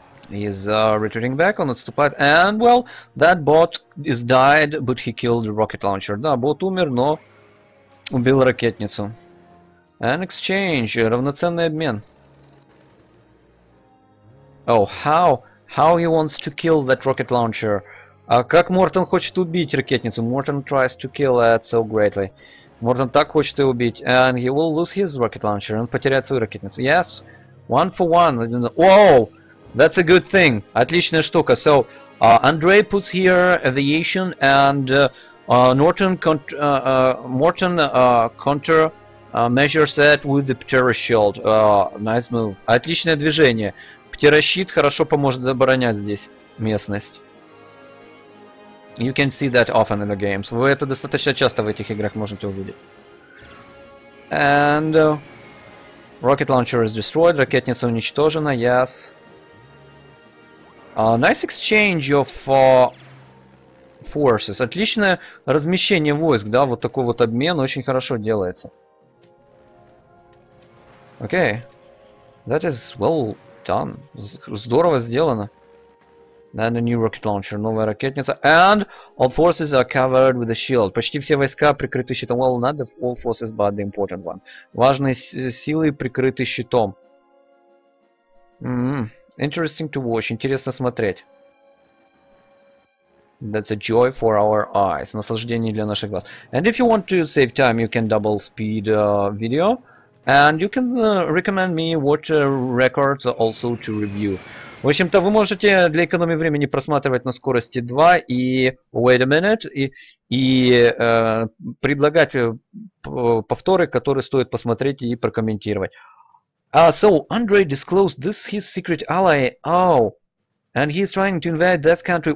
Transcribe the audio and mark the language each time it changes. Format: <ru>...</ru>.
<en>He's retreating back on its path, and well, that bot is died, but he killed the rocket launcher.</en> <ru>Да, бот умер, но убил ракетницу.</ru> <en>An exchange,</en> <ru>равноценный обмен.</ru> <en>Oh, how he wants to kill that rocket launcher?</en> <ru>Как Мортон хочет убить ракетницу?</ru> <en>Мортон tries to kill that so greatly.</en> <ru>Мортон так хочет ее убить,</ru> <en>and he will lose his rocket launcher.</en> <ru>Он потеряет свою ракетницу.</ru> <en>Yes, one for one. Whoa! That's a good thing.</en> <ru>Отличная штука.</ru> <en>So, Andrei puts here aviation and Morton counter measures that with the pterashield. Nice move.</en> <ru>Отличное движение. Птерощит хорошо поможет оборонять здесь местность.</ru> <en>You can see that often in the games.</en> <ru>Вы это достаточно часто в этих играх можете увидеть.</ru> <en>And rocket launcher is destroyed.</en> <ru>Ракетница уничтожена.</ru> <en>Yes. Nice exchange of forces.</en> <ru>Отличное размещение войск, да, вот такой вот обмен очень хорошо делается.</ru> <en>Okay, that is well done.</en> <ru>Здорово сделано.</ru> <en>And a new rocket launcher,</en> <ru>новая ракетница.</ru> <en>And all forces are covered with a shield.</en> <ru>Почти все войска прикрыты щитом.</ru> <en>Well, not the all forces, but the important one.</en> <ru>Важные силы прикрыты щитом.</ru> <en>Interesting to watch.</en> <ru>Интересно смотреть.</ru> <en>That's a joy for our eyes.</en> <ru>Наслаждение для наших глаз.</ru> <en>And if you want to save time, you can double speed video. And you can recommend me what records also to review.</en> <ru>В общем-то, вы можете для экономии времени просматривать на скорости 2 и</ru> <en>wait a minute,</en> <ru>и предлагать повторы, которые стоит посмотреть и прокомментировать.</ru> <en>So Andrei disclosed this his secret ally. Oh, and he's trying to invade that country.</en>